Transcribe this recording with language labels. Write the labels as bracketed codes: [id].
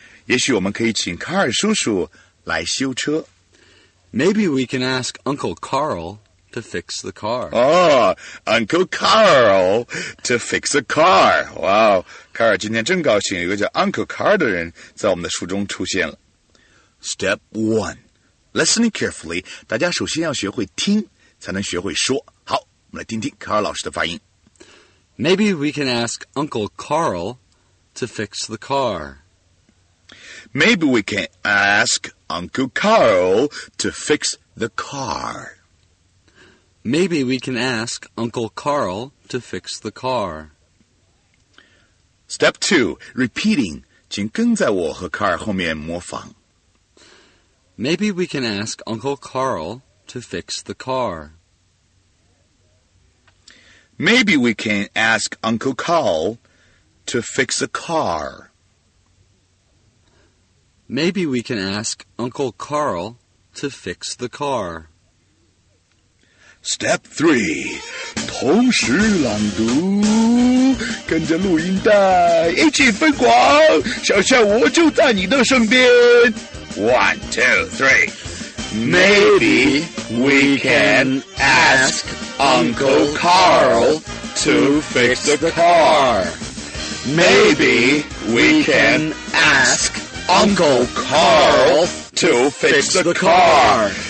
[zh] 也许我们可以请卡尔叔叔来修车。 [en] Maybe we can ask Uncle Carl to fix the car. Oh, Uncle Carl to fix a car. [zh] Wow, 卡尔今天真高兴，有个叫 Uncle Carl 的人在我们的书中出现了。 [en] Step 1. Listening carefully, [zh] 大家首先要学会听才能学会说。好，我们来听听卡尔老师的发音。 [en] Maybe we can ask Uncle Carl to fix the car. Maybe we can ask Uncle Carl to fix the car. Maybe we can ask Uncle Carl to fix the car. Step 2, repeating. [zh] 请跟在我和 Carl 后面模仿。 [en] Maybe we can ask Uncle Carl to fix the car. Maybe we can ask Uncle Carl to fix the car. Maybe we can ask Uncle Carl to fix the car. Step 3, [zh] 同时朗读，跟着录音带一起疯狂，小小我就在你的身边。 [en] One, two, three. Maybe we can ask Uncle Carl to fix the car. Maybe we can ask Uncle Carl to fix the car.